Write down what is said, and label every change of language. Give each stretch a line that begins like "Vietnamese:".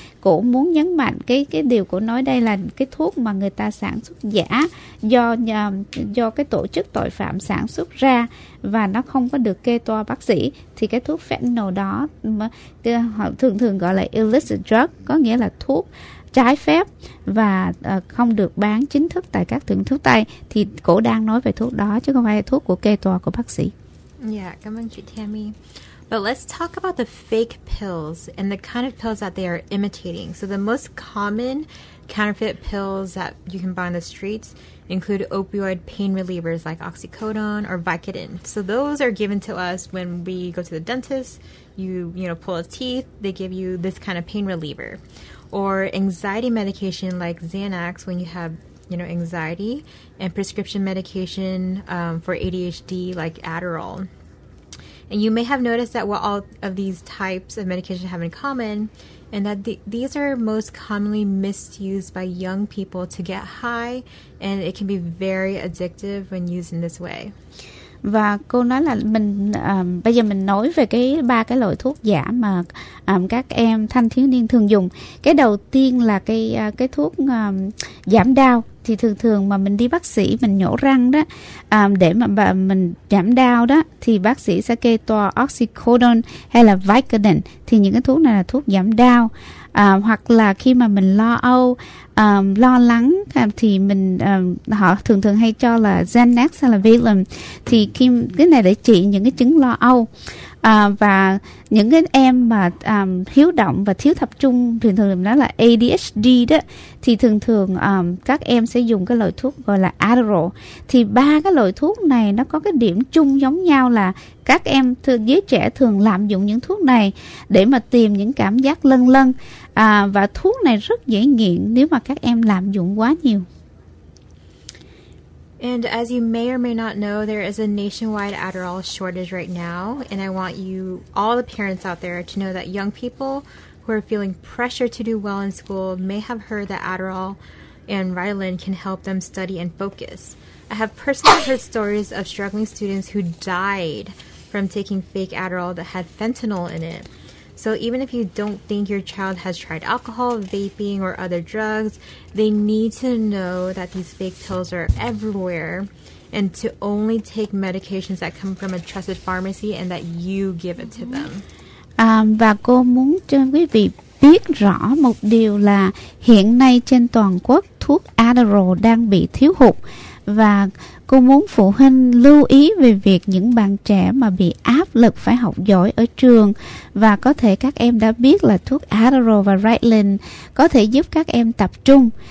Vietnamese: Cổ muốn nhấn mạnh cái điều cổ nói đây là cái thuốc mà người ta sản xuất giả do cái tổ chức tội phạm sản xuất ra, và nó không có được kê toa bác sĩ, thì cái thuốc fentanyl đó họ thường thường gọi là illicit drug, có nghĩa là thuốc trái phép và không được bán chính thức tại các tiệm thuốc tây. Thì cổ đang nói về thuốc đó chứ không phải là thuốc của kê toa của bác sĩ. Yeah, cảm ơn chị Tammy.
English: But let's talk about the fake pills and the kind of pills that they are imitating. So the most common counterfeit pills that you can buy on the streets include opioid pain relievers like oxycodone or Vicodin. So those are given to us when we go to the dentist, you know, pull a teeth, they give you this kind of pain reliever. Or anxiety medication like Xanax when you have, you know, anxiety, and prescription medication for ADHD like Adderall. And you may have noticed that what all of these types of medication have in common, and that these are most commonly misused by young people to get high, and it can be very addictive when used in this way.
Vietnamese: Và cô nói là mình bây giờ mình nói về cái ba cái loại thuốc giả mà các em thanh thiếu niên thường dùng. Cái đầu tiên là cái thuốc giảm đau. Thì thường thường mà mình đi bác sĩ mình nhổ răng đó, để mà mình giảm đau đó, thì bác sĩ sẽ kê toa oxycodone hay là Vicodin. Thì những cái thuốc này là thuốc giảm đau. Hoặc là khi mà mình lo âu, lo lắng thì mình họ thường thường hay cho là Xanax hay là Valium. Thì khi cái này để trị những cái chứng lo âu. Và những cái em mà hiếu động và thiếu tập trung, thường thường nói là ADHD đó, thì thường thường các em sẽ dùng cái loại thuốc gọi là Adderall. Thì ba cái loại thuốc này nó có cái điểm chung giống nhau là các em thường giới trẻ thường lạm dụng những thuốc này để mà tìm những cảm giác lâng lâng. Và thuốc này rất dễ nghiện nếu mà các em lạm dụng quá nhiều.
English: And as you may or may not know, there is a nationwide Adderall shortage right now. And I want you, all the parents out there, to know that young people who are feeling pressure to do well in school may have heard that Adderall and Ritalin can help them study and focus. I have personally heard stories of struggling students who died from taking fake Adderall that had fentanyl in it. So even if you don't think your child has tried alcohol, vaping, or other drugs, they need to know that these fake pills are everywhere and to only take medications that come from a trusted pharmacy and that you give it to them.
Vietnamese: Và cô muốn cho quý vị biết rõ một điều là hiện nay trên toàn quốc thuốc Adderall đang bị thiếu hụt. Và cô muốn phụ huynh lưu ý về việc những bạn trẻ mà bị áp lực phải học giỏi ở trường, và có thể các em đã biết là thuốc Adderall và Ritalin có thể giúp các em tập trung.